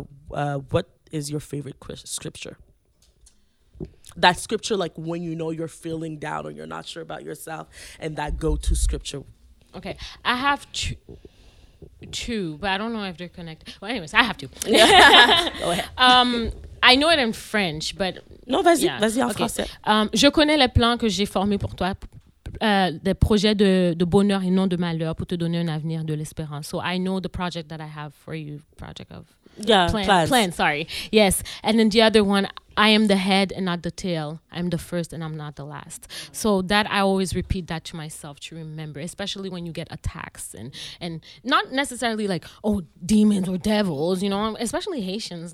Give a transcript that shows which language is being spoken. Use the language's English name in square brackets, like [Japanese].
[English] What is your favorite scripture? That scripture, like, when you know you're feeling down or you're not sure about yourself, and that go-to scripture. Okay, I have two, but I don't know if they're connected. Well, anyways, I have two. Go ahead. I know it in French, but... [French] Non, vas-y, yeah. Vas-y en okay. Français. Je connais les plans que j'ai formés pour toi, des projets de bonheur et non de malheur pour te donner un avenir de l'espérance. [English] So I know the project that I have for you, project of... Yeah, plan, sorry. Yes. And then the other one, I am the head and not the tail. I'm the first and I'm not the last. So that, I always repeat that to myself to remember, especially when you get attacks and not necessarily like, oh, demons or devils, you know, especially Haitians.